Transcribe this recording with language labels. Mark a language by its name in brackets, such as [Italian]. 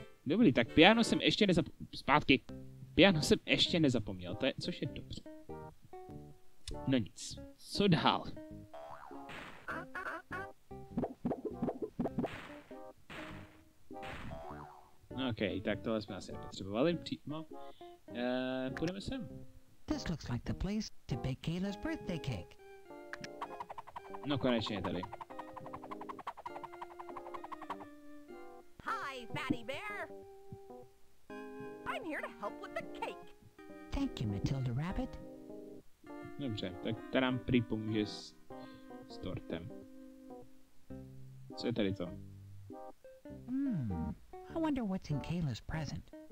[Czech] Dobrý, tak piano jsem ještě nezapomněl. Zpátky. Piano jsem ještě nezapomněl, to je, což je dobře. No nic. Co dál? OK, tak tohle jsme asi nepotřebovali přímo. Půjdeme sem. [English] This looks like the place to bake Kayla's birthday cake. [Czech] No konečně je tady. [English] Fatty Bear, I'm here to help with the cake. Thank you, Matilda Rabbit. [Czech] Dobře, tak ta nám připomůže s tortem. Co je tady to? [English] I wonder what's in Kayla's present.